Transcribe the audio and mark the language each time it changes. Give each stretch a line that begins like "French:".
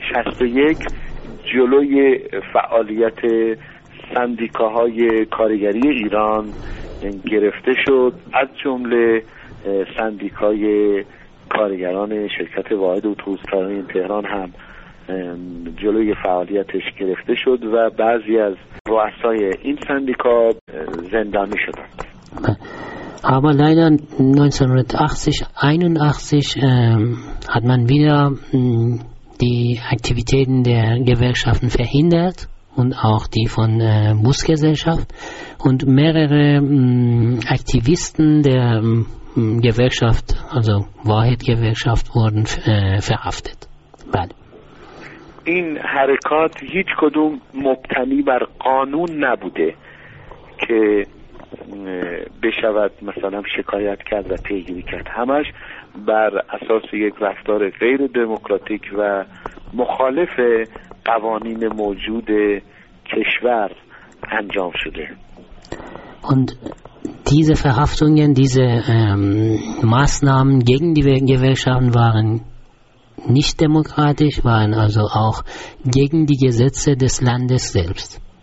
Persian: 1360-61 جلوی فعالیت سندیکاهای کارگری ایران گرفته شد، از جمله سندیکای کارگران شرکت واحد اتوبوسرانی تهران هم جلوی فعالیتش گرفته شد و بعضی از رؤسای این سندیکا زندانی شدند.
German: Aber leider 1980-81 hat man wieder die Aktivitäten der Gewerkschaften verhindert und auch die von Busgesellschaft und mehrere Aktivisten der Gewerkschaft, also Wahrheit-Gewerkschaft, wurden verhaftet.
Persian: این حرکات هیچ کدوم مبتنی بر قانون نبوده که بشود مثلا شکایت کرد و پیگیری کرد، همش بر اساس یک رفتار غیر دموکراتیک و مخالف قوانین موجود کشور انجام شده.
German: Und diese Verhaftungen, diese Maßnahmen gegen die Gewerkschaften waren nicht demokratisch, waren also auch gegen die Gesetze des Landes selbst.